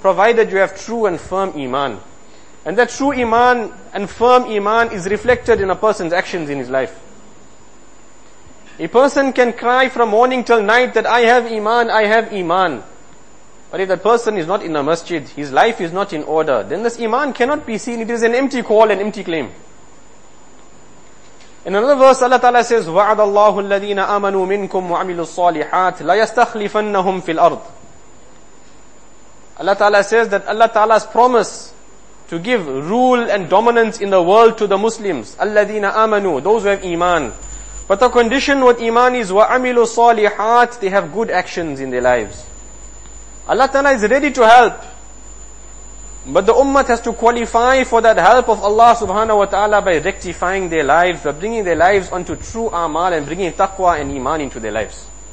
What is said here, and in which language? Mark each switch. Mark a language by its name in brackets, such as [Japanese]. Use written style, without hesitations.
[English] Provided you have true and firm iman. And that true iman and firm iman is reflected in a person's actions in his life. A person can cry from morning till night that I have iman, I have iman. But if that person is not in a masjid, his life is not in order, then this iman cannot be seen. It is an empty call, an empty claim. In another verse, Allah Ta'ala says, [Arabic] وَعَدَ اللَّهُ الَّذِينَ آمَنُوا مِنْكُمْ وَعَمِلُوا الصَّالِحَاتِ لَيَسْتَخْلِفَنَّهُمْ فِي الْأَرْضِ. [English] Allah Ta'ala says that Allah Ta'ala's promise to give rule and dominance in the world to the Muslims, [Arabic] الَّذِينَ آمَنُوا, [English] those who have iman. But the condition with iman is, [Arabic] وَعَمِلُوا الصَّالِحَاتِ, [English] they have good actions in their lives. Allah Ta'ala is ready to help, but the ummah has to qualify for that help of Allah subhanahu wa ta'ala by rectifying their lives, by bringing their lives onto true amal and bringing taqwa and iman into their lives.